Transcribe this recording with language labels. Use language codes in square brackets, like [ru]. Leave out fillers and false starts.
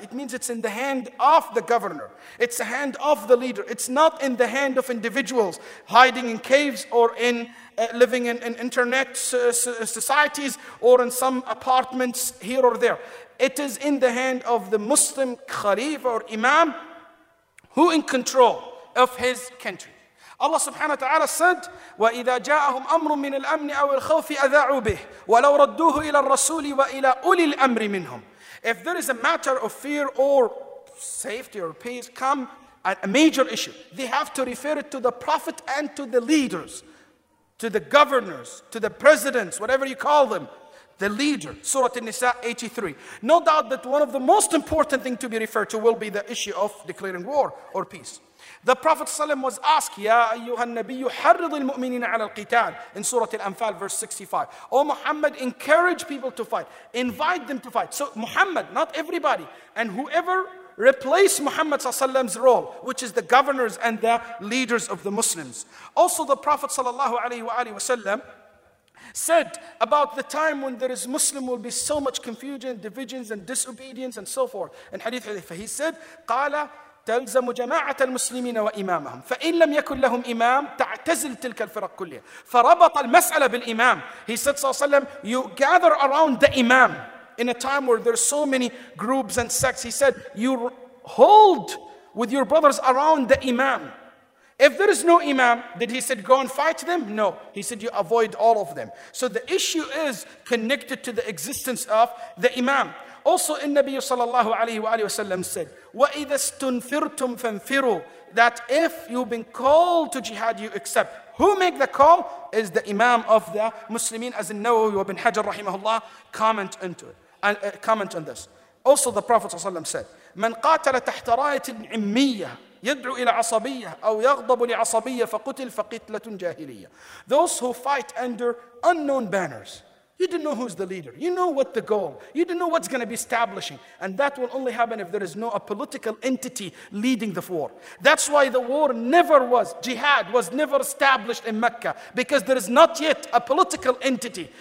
[en] It means it's in the hand of the governor. It's the hand of the leader. It's not in the hand of individuals hiding in caves or in living in internet societies or in some apartments here or there. It is in the hand of the Muslim Khalifa or Imam who in control of his country. [ar] Allah subhanahu wa ta'ala said, وَإِذَا جَاءَهُمْ أَمْرٌ مِّنَ الْأَمْنِ أَوِ الْخَوْفِ أَذَاعُوا بِهِ وَلَوْ رَدُّوهُ إِلَى الرَّسُولِ وَإِلَى أُولِي الْأَمْرِ مِنْهُمْ. [en] If there is a matter of fear or safety or peace, come a major issue, they have to refer it to the Prophet and to the leaders, to the governors, to the presidents, whatever you call them, the leader. Surah An-Nisa 83. No doubt that one of the most important thing to be referred to will be the issue of declaring war or peace. The Prophet ﷺ was asked, [ar] Ya ayyuha al-Nabiyyu harridh al-mu'minina ala al-qital, [en] in Surah Al-Anfal, verse 65. O Muhammad, encourage people to fight. Invite them to fight. So Muhammad, not everybody, and whoever replace Muhammad ﷺ's role, which is the governors and the leaders of the Muslims. Also the Prophet ﷺ said about the time when there is Muslim will be so much confusion, divisions, and disobedience, and so forth. In Hadith Hadith, he said, [ar] قال تلزم جماعة المسلمين وإمامهم فإن لم يكن لهم إمام تعتزل تلك الفرق كلها فربط المسألة بالإمام. [en] He said, صلى الله عليه وسلم, you gather around the Imam in a time where there are so many groups and sects. He said, you hold with your brothers around the Imam. If there is no Imam, did he said go and fight them? No. He said you avoid all of them. So the issue is connected to the existence of the Imam. Also, in Nabi sallallahu alayhi wa sallam said, [ar] وَإِذَا اسْتُنْفِرْتُمْ فَانْفِرُوا, [en] that if you've been called to jihad, you accept. Who make the call is the Imam of the Muslimin, as in Nawawi wa bin Hajar rahimahullah comment into it, and comment on this. Also, the Prophet sallallahu alayhi wa sallam said, [ar] مَنْ قَاتَلَ تَحْتَ رَايَةٍ عِمِّيَّةٍ يدعو إلى عصبية أو يغضب لعصبية فقتل فقتلة جاهلية. [en] Those who fight under unknown banners, you didn't know who's the leader, you know what the goal, you didn't know what's going to be establishing, and that will only happen if there is no a political entity leading the war. That's why the war never was, jihad was never established in Mecca, because there is not yet a political entity.